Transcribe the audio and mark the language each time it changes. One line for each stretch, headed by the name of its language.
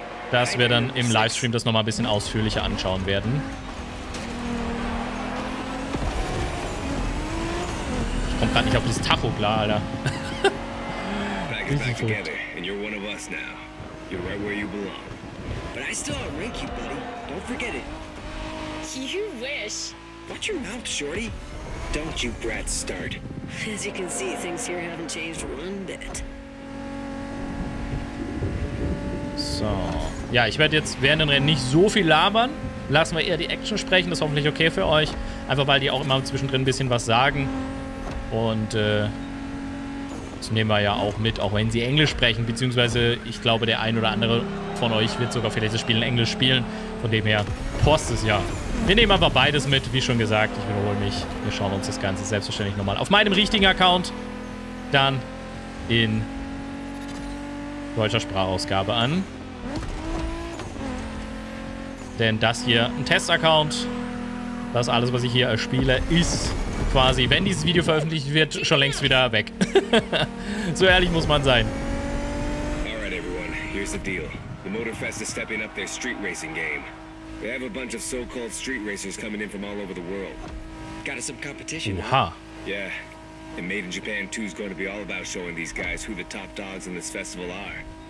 German: Das wir dann im Livestream das nochmal ein bisschen ausführlicher anschauen werden. Ich komme gerade nicht auf dieses Tacho klar, Alter.
English: Back and you're one of us now. You're right where you belong. But I still outrank you, buddy. Don't forget it. You wish. Watch your mouth, Shorty. Don't you brat start. As you can see, things here haven't changed one bit.
German: So. Ja, ich werde jetzt während den Rennen nicht so viel labern. Lassen wir eher die Action sprechen. Das ist hoffentlich okay für euch. Einfach weil die auch immer zwischendrin ein bisschen was sagen. Und das nehmen wir ja auch mit, auch wenn sie Englisch sprechen, beziehungsweise ich glaube, der ein oder andere von euch wird sogar vielleicht das Spiel in Englisch spielen. Von dem her, post es ja. Wir nehmen aber beides mit, wie schon gesagt. Ich wiederhole mich. Wir schauen uns das Ganze selbstverständlich nochmal auf meinem richtigen Account dann in deutscher Sprachausgabe an. Denn das hier, ein Test-Account, das alles, was ich hier erspiele, ist quasi, wenn dieses Video veröffentlicht wird, schon längst wieder weg. So ehrlich muss man sein.
English: Alright everyone, here's the deal. The Motorfest is stepping up their street racing game. They have a bunch of so-called street racers coming in from all over the world. Got us some competition. Aha. Yeah. And Made in Japan 2 is going to be all about showing these guys who the top dogs in this festival are.